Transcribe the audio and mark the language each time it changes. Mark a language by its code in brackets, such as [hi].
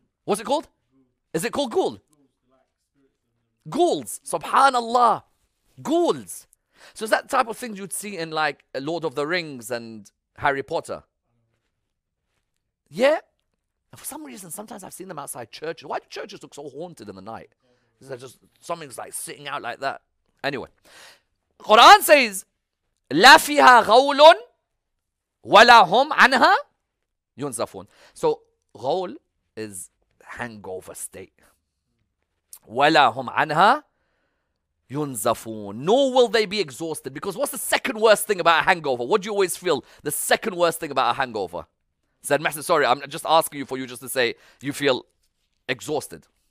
[en] What's it called? Is it called ghoul? Ghouls. Subhanallah. Ghouls. So is that type of things you'd see in like Lord of the Rings and Harry Potter? Yeah. And for some reason, sometimes I've seen them outside churches. Why do churches look so haunted in the night? Is that just something's like sitting out like that? Anyway. Quran says, [ar] لا فيها غول ولا هم عنها ينزفون. [en] So غول is hangover state. [ar] ولا هم عنها ينزفون. [en] Nor will they be exhausted. Because what's the second worst thing about a hangover? What do you always feel the second worst thing about a hangover? Said Master, sorry, I'm just asking you for you just to say you feel exhausted.